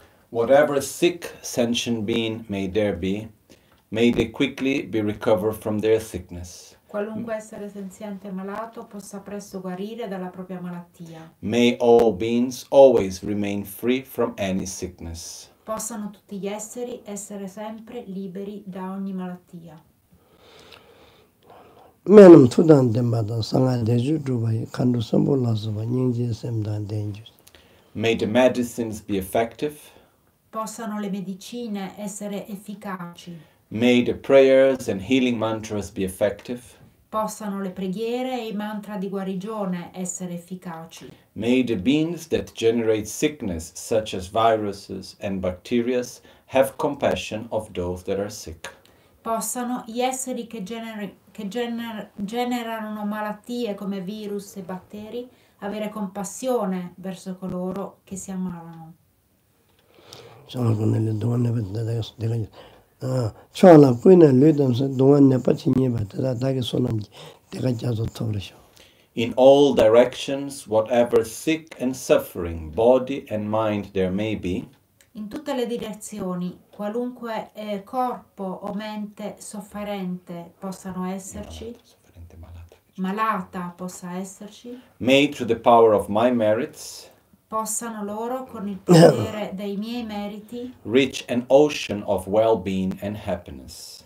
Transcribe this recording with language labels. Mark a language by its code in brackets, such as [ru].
[en] Whatever sick sentient being may there be, may they quickly be recovered from their sickness. [it] Qualunque essere senziente malato possa presto guarire dalla propria malattia. [en] May all beings always remain free from any sickness. [it] Possano tutti gli esseri essere sempre liberi da ogni malattia. Menum tudan demba da sanga deju dubai kandu sambo lazuba nyingje semdan denju. [en] May the medicines be effective. [it] Possano le medicine essere efficaci. [en] May the prayers and healing mantras be effective. [it] Possano le preghiere e i mantra di guarigione essere efficaci. [en] May the beings that generate sickness, such as viruses and bacteria, have compassion of those that are sick. [it] Possano gli esseri che generano malattie come virus e batteri avere compassione verso coloro che si ammalano. [en] In all directions, whatever sick and suffering, body and mind there may be, [it] in tutte le direzioni, qualunque corpo o mente sofferente possano esserci, malata possa esserci, [en] may through the power of my merits, [it] possano loro con il potere dei miei meriti [en] reach an ocean of well-being and happiness,